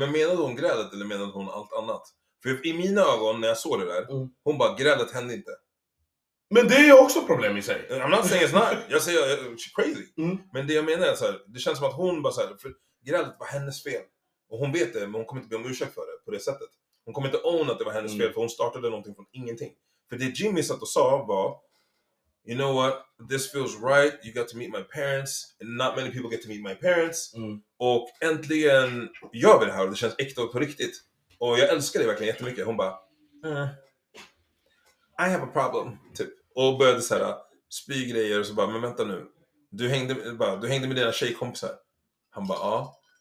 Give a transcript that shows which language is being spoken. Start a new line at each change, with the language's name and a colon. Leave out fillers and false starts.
Swedish: Men menade hon grället eller menade hon allt annat? För i mina ögon när jag såg det där, hon bara, grället hände inte. Men det är också problem i sig.
English: I'm not saying it's not.
Swedish: Jag säger,
English: she's crazy. Mm.
Swedish: Men det jag menar är så här, det känns som att hon bara så här, för grället var hennes fel. Och hon vet det, men hon kommer inte be om ursäkt för det på det sättet. Hon kommer inte own att det var hennes fel, för hon startade någonting från ingenting. För det Jimmy satt och sa var,
English: you know what, this feels right, you got to meet my parents, and not many people get to meet my parents. Mm.
Swedish: Och äntligen gör vi det här, och det känns äkta på riktigt. Och jag älskar det verkligen jättemycket. Hon bara,
English: I have a problem,
Swedish: typ. Och började så här, spy grejer och så bara, men vänta nu. Du hängde med dina tjejkompisar. Han bara, ja.